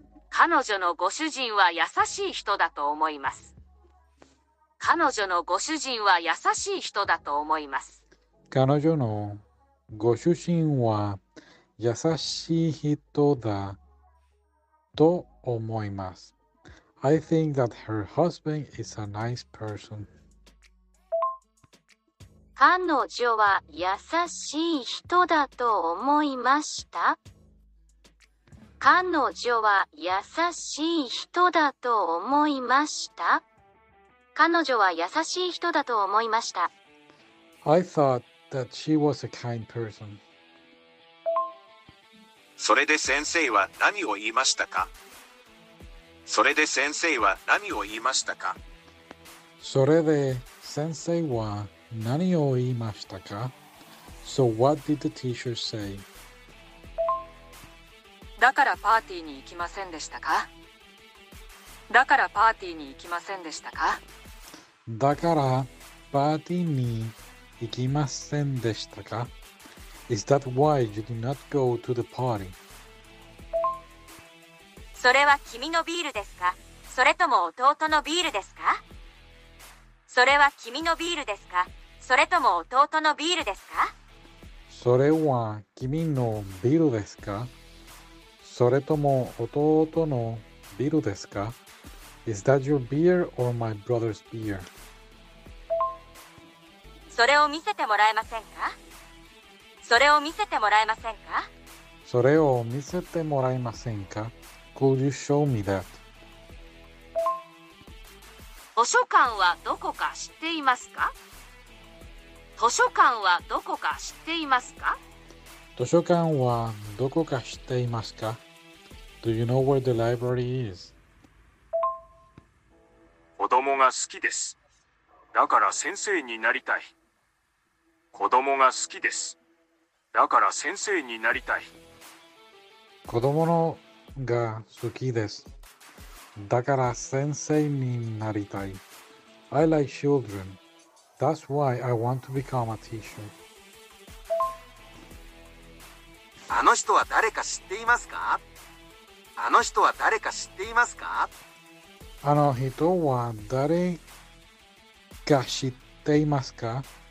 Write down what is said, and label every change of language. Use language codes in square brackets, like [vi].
[ja] 彼女のご主人は優しい人だと思います。彼女のご主人は優しい人だと思います。彼女のご主人は優しい人だと思います。 [en] I think that her husband is a nice person. [ja] 彼女は優しい人だと思いました。彼女は優しい人だと思いました。彼女は優しい人だと思いました。 [en] I thought that she was a kind person. [ja] それで先生は何を言いましたか？それで先生は何を言いましたか？それで先生は何を言いましたか？ [en] So what did the teacher say? [ja] だからパーティーに行きませんでしたか？だからパーティーに行きませんでしたか？だからパーティーに行きませんでしたか？ [en] Is that why you did not go to the party? [ja] それは君のビールですか？それとも弟のビールですか？それは君のビールですか？それとも弟のビールですか？それは君のビールですか？それとも弟のビールですか？ [en] Is that your beer or my brother's beer? [ja] それを見せてもらえませんか？それを見せてもらえませんか？それを見せてもらえませんか？ [en] Could you show me that? [ja] 図書館はどこか知っていますか？図書館はどこか知っていますか？図書館はどこか知っていますか？ [en] Do you know where the library is? [ja] 子供が好きです。だから先生になりたい。子供が好きです。だから先生になりたい。子供のが好きです。だから先生になりたい。 [en] I like children. That's why I want to become a teacher. [ja] あの人は誰か知っていますか？あの人は誰か知っていますか？あの人は誰か知っていますか？